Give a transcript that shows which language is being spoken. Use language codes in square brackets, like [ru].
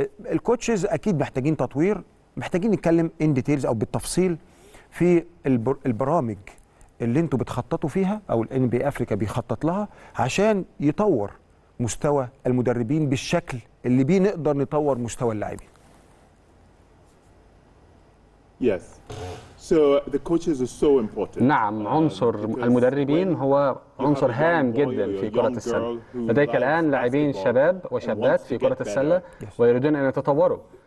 [ar] الكوتشز اكيد محتاجين تطوير، محتاجين نتكلم [en] in details [ar] او بالتفصيل في البرامج اللي انتوا بتخططوا فيها او الان بي افريكا بيخطط لها عشان يطور مستوى المدربين بالشكل اللي بيه نقدر نطور مستوى اللاعبين. [en] Yes. So the coaches are so important. [ar] نعم، عنصر المدربين هو عنصر هام جدا في كرة السلة. لديك الآن لاعبين شباب وشابات في كرة السلة ويريدون أن يتطوروا.